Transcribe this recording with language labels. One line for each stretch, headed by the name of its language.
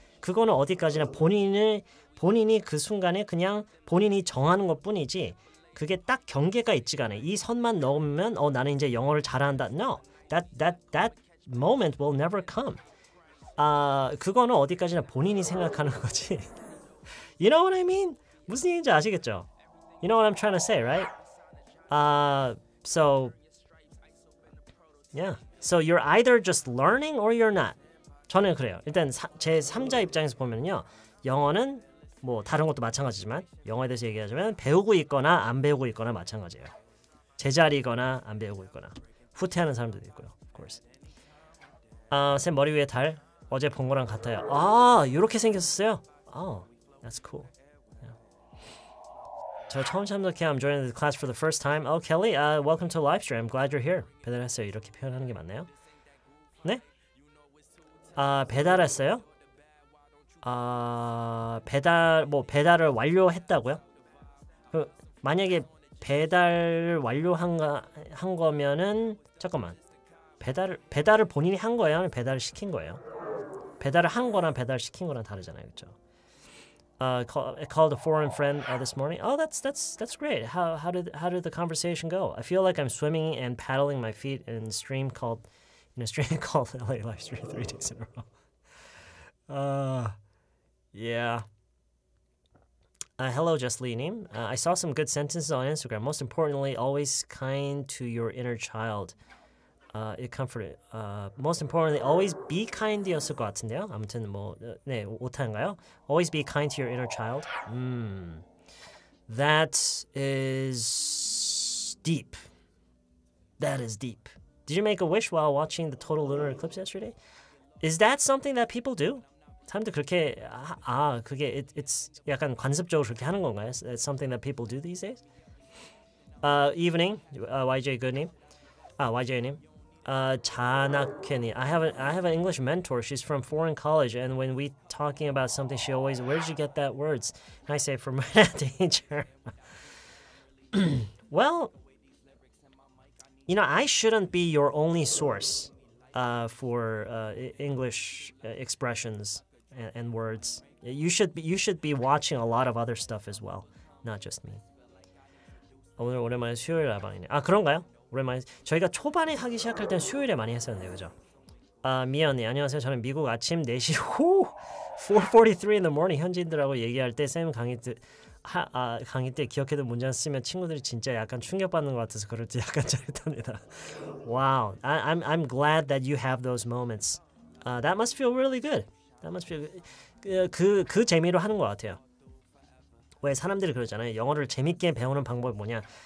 Korean: 그거는 어디까지나 본인이 그 순간에 그냥 본인이 정하는 것뿐이지 그게 딱 경계가 있지가 않아. 이 선만 넘으면 나는 이제 영어를 잘한다.
English: No. That moment will never come.
Korean: 그거는 어디까지나 본인이 생각하는 거지.
English: You know what I mean?
Korean: 무슨 얘기인지 아시겠죠?
English: You know what I'm trying to say, right? So you're either just learning or you're not.
Korean: 저는 그래요. 일단 제 3자 입장에서 보면요. 영어는 뭐 다른 것도 마찬가지지만 영어에 대해서 얘기하자면 배우고 있거나 안 배우고 있거나 마찬가지예요. 제자리거나 안 배우고 있거나. 후퇴하는 사람들도 있고요.
English: Of course.
Korean: 쌤 머리 위에 달. 어제 본 거랑 같아요. 아, 이렇게 생겼었어요? 아,
English: that's cool. So,
Korean: 처음 참석해,
English: I'm joining the class for the first time. Oh, Kelly, welcome to the live stream. Glad you're here.
Korean: 배달했어요. 이렇게 표현하는 게 맞나요? 네? 아, 배달했어요? 아, 배달, 뭐 배달을 완료했다고요? 그, 만약에 배달을 완료한 거면은 잠깐만. 배달을 본인이 한 거예요? 아니면 배달을 시킨 거예요? 배달을 한 거랑 배달을 시킨 거랑 다르잖아요. 그렇죠?
English: I called a foreign friend this morning. Oh, that's great. How did the conversation go? I feel like I'm swimming and paddling my feet in a stream called LA Live Stream 3 days in a row. Hello, Just Leaning. I saw some good sentences on Instagram. Most importantly, always kind to your inner child. It comforted. Most importantly, always be kind
Korean: 였을 것 같은데요. 아무튼 뭐, 네, 오타인가요?
English: Always be kind to your inner child. That is deep. That is deep. Did you make a wish while watching the total lunar eclipse yesterday? Is that something that people do?
Korean: 사람도 그렇게, 아, 그게 it's 약간 관습적으로 그렇게 하는 건가요?
English: It's something that people do these days? Evening, YJ Goodney. YJ님. I have an English mentor. She's from foreign college, and when we talking about something, she always, where did you get that words? And I say, from my danger. Well, you know, I shouldn't be your only source for English expressions and words. You should be watching a lot of other stuff as well, not just me.
Korean: 오늘 오랜만에 수요일 알바이네. 아 그런가요? 오랜만에 저희가 초반에 하기 시작할 때는 수요일에 많이 했었는데 그죠? 아 미연 언니 안녕하세요. 저는 미국 아침 4시
English: 4:43 in the morning
Korean: 현지인들하고 얘기할 때 쌤 강의 때 기억해둔 문장 쓰면 친구들이 진짜 약간 충격받는 것 같아서 그럴 때 약간 잘했답니다.
English: Wow, I'm glad that you have those moments. That must feel really good. That must feel good.
Korean: 그 재미로 하는 것 같아요. 왜 사람들이 그러잖아요. 영어를 재밌게 배우는 방법이 뭐냐?